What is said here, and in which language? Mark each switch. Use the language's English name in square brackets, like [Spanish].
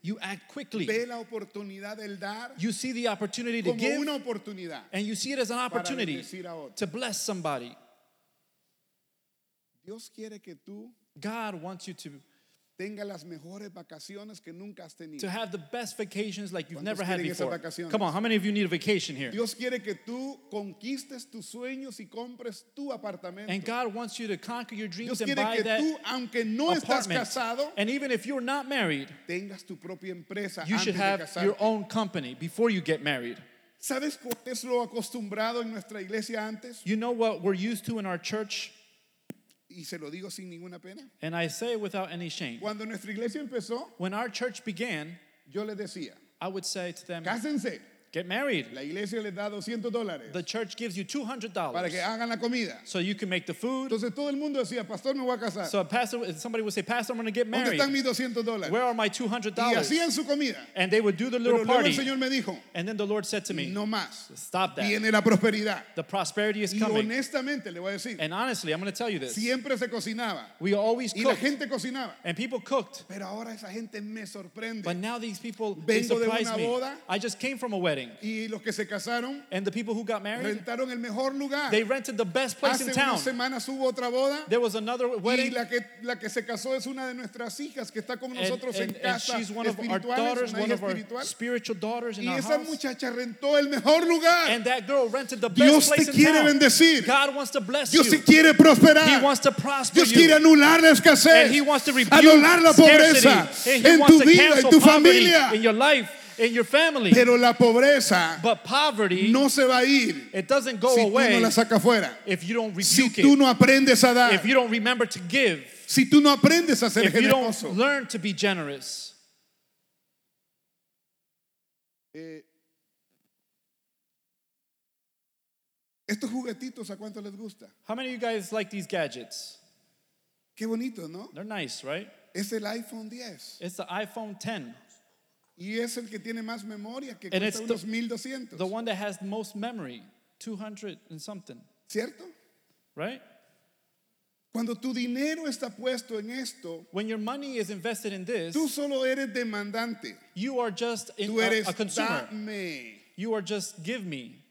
[English] You act quickly. [Spanish] Ve la oportunidad del dar. [English] You see the opportunity to [Spanish] como [English] give. [Spanish] Una oportunidad. [English] And you see it as an opportunity [Spanish] para bendecir a otro. [English] To bless somebody. [Spanish] Dios quiere que tú [English] God wants you to [Spanish] tenga las mejores vacaciones que nunca has tenido. [English] To have the best vacations like you've never had before. [Spanish] ¿Cuántos quieren esas vacaciones? [English] Come on, how many of you need a vacation here? [Spanish] Dios quiere que tú conquistes tus sueños y compres tu apartamento. [English] And God wants you to conquer your dreams [Spanish] Dios [English] and buy [Spanish] que [English] that [Spanish] tú, aunque no [English] apartment. [Spanish] Estás casado, [English] and even if you're not married, [Spanish] tengas tu propia empresa [English] you should have [Spanish] de casarte. [English] Your own company before you get married. [Spanish] ¿Sabes cuál es lo acostumbrado en nuestra iglesia antes? [English] You know what we're used to in our church? [Spanish] Y se lo digo sin ninguna pena. [English] And I say it without any shame. [Spanish] Cuando nuestra iglesia empezó, [English] when our church began, [Spanish] yo les decía, [English] I would say to them, [Spanish] cásense. [English] Get married. [Spanish] La iglesia les da $200. [English] The church gives you $200. [Spanish] Para que hagan la comida. [English] So you can make the food. [Spanish] Entonces todo el mundo decía, pastor, me voy a casar. [English] So a pastor, somebody would say, pastor, I'm going to get married. [Spanish] ¿Dónde están mis $200? [English] Where are my $200? [Spanish] Y hacían su comida. [English] And they would do the little [Spanish] Pero luego [English] party. [Spanish] El Señor me dijo, [English] and then the Lord said to me, [Spanish] no más. [English] Stop that. [Spanish] Viene la prosperidad. [English] The prosperity is coming. [Spanish] Y honestamente, le voy a decir, [English] and honestly, I'm going to tell you this. [Spanish] Siempre se cocinaba. [English] We always cooked. [Spanish] Y la gente cocinaba. [English] And people cooked. [Spanish] Pero ahora esa gente me sorprende. [English] But now these people, [Spanish] vengo [English] they surprise [Spanish] de una boda, [English] me. I just came from a wedding. [Spanish] Y los que se casaron, [English] and the people who got married, [Spanish] rentaron el mejor lugar. [English] They rented the best place [Spanish] Hace [English] in town. [Spanish] Hace unas semanas hubo otra boda. [English] There was another wedding. [Spanish] Y la que se casó es una de nuestras hijas que está con nosotros en casa. [English] And she's one of our daughters, one of our spiritual daughters in [Spanish] y [English] our house. [Spanish] Y esa muchacha rentó el mejor lugar. [English] And that girl rented the [Spanish] Dios [English] best place [Spanish] te quiere [English] in town. [Spanish] Bendecir. [English] God wants to bless [Spanish] Dios [English] you. [Spanish] Dios quiere prosperar. [English] He wants to prosper [Spanish] Dios [English] you. [Spanish] Quiere anular la escasez. [English] And he wants to rebuke [Spanish] anular la pobreza [English] scarcity. [Spanish] En tu vida, en tu familia. [English] In your life. In your family. [Spanish] Pero la pobreza, [English] but poverty, [Spanish] no se va a ir, [English] it doesn't go [Spanish] si [English] away [Spanish] no la saca fuera. [English] If you don't rebuke [Spanish] si tú no [English] it, [Spanish] aprendes a dar. [English] If you don't remember to give, [Spanish] si tú no aprendes a ser [English] if [Spanish] generoso. [English] You don't learn to be generous. [Spanish] Estos juguetitos, ¿a cuánto les gusta? [English] How many of you guys like these gadgets? [Spanish] Qué bonito, ¿no? [English] They're nice, right? [Spanish] Es el iPhone 10. [English] It's the iPhone 10. [Spanish] Y es el que tiene más memoria, que cuesta unos 1,200. [English] The one that has the most memory, 200 and something. [Spanish] ¿Cierto? [English] Right? [Spanish] Cuando tu dinero está puesto en esto, [English] when your money is invested in this, [Spanish] tú solo eres demandante. [English] You are just a consumer. [Spanish] Dame. [English] You are just give me.